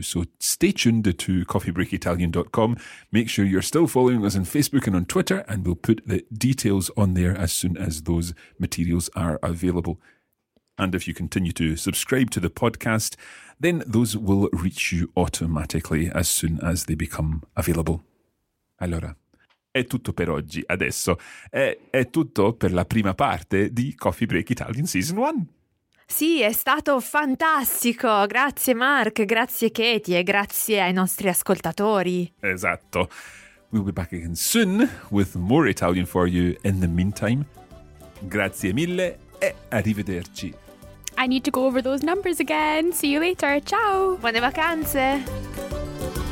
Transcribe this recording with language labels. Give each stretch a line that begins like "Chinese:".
English: So stay tuned to coffeebreakitalian.com. Make sure you're still following us on Facebook and on Twitter, and we'll put the details on there as soon as those materials are available. And if you continue to subscribe to the podcast, then those will reach you automatically as soon as they become available.
Italian: Allora, è tutto per oggi. Adesso è tutto per la prima parte di Coffee Break Italian Season 1. Sì, è stato fantastico. Grazie Mark, grazie Katie e grazie ai nostri ascoltatori. Esatto.
English: We'll be back again soon with more Italian for you. In the meantime,
Italian: grazie mille e arrivederci.
English: I need to go over those numbers again. See you later. Ciao.
Italian: Buone vacanze.